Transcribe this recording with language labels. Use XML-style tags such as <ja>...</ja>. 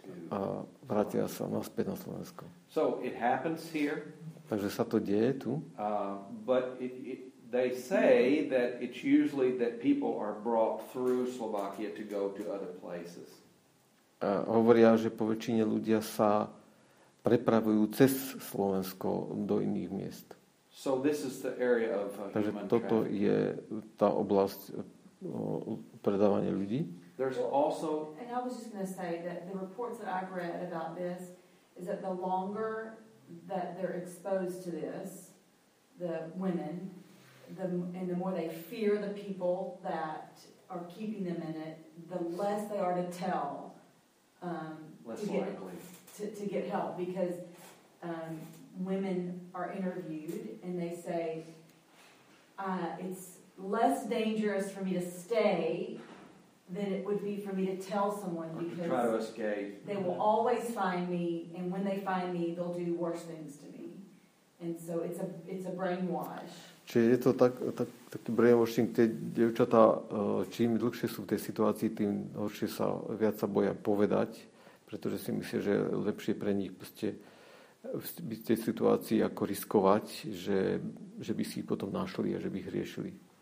<sk>a vrátila sa naspäť na Slovensko.</sk> <en>So it happens here.</en> <sk>Takže sa to deje tu.</sk> <en>But they say that it's usually that people are brought through Slovakia to go to other places.</en> <sk>Hovoria, že po väčšine ľudia sa prepravujú cez Slovensko do iných miest.</sk> <en>So this is the area of human</en> <sk>Takže toto</sk> <en>traffic.</en> <sk>Je tá oblasť predávania ľudí.</sk> <en>There's also, and I was just going to say that the reports that I've read about this is that the longer that they're exposed to this, the women, and the more they fear the people that are keeping them in it, the less they are to tell. To get help, because women are interviewed and they say it's less dangerous for me to stay than it would be for me to tell someone, or because try to escape. They will always find me, and when they find me, they'll do worse things to me. And so it's a brainwash.</en> <sk>Čiže je to taký brainwashing, tie dievčatá, čím dlhšie sú v tej situácii, tým horšie sa, viac sa boja povedať, pretože si myslia, že lepšie pre nich proste byť v tej situácii ako riskovať, že by si ich potom našli a že by ich riešili.</sk>